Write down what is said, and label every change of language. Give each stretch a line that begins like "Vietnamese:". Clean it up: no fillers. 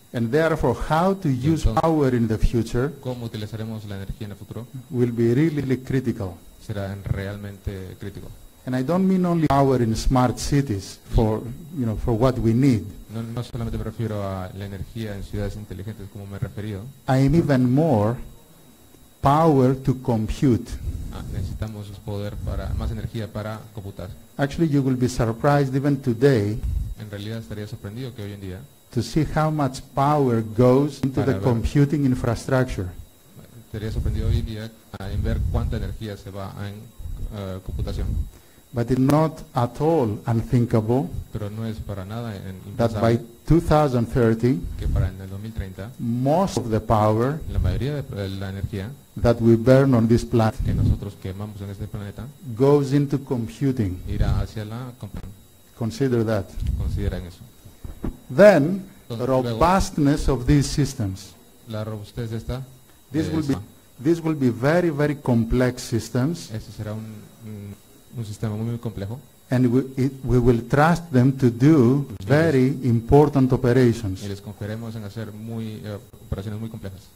English: And therefore, how to use power in the future,
Spanish: ¿cómo utilizaremos la energía en el futuro?
English: Will be really, really critical.
Spanish: Será realmente crítico.
English: And I don't mean only power in smart cities for, you know, for what we need.
Spanish: No solamente me refiero a la energía en ciudades inteligentes como me he referido.
English: I'm even more power to compute.
Spanish: Necesitamos poder para más energía para computar.
English: Actually, you will be surprised even today.
Spanish: En realidad estaría sorprendido que hoy en día.
English: To see how much power goes into the computing infrastructure.
Spanish: Estaría sorprendido hoy en día en ver cuánta energía se va en computación.
English: But it's not at all unthinkable.
Spanish: Pero no es para nada
English: that by 2030.
Spanish: Que para en el 2030.
English: Most of the power.
Spanish: La mayoría de la energía.
English: That we burn on this planet,
Spanish: que nosotros quemamos en este planeta,
English: goes into computing.
Spanish: Irá hacia la
English: Consider that.
Spanish: Consideren eso.
English: Then,
Spanish: entonces,
English: robustness
Spanish: luego,
English: of these systems.
Spanish: La robustez de esta.
English: This will be very, very complex systems.
Spanish: Este será un sistema muy, muy complejo.
English: And we will trust them to do very important operations.
Spanish: Y les confiaremos en hacer muy operaciones muy complejas.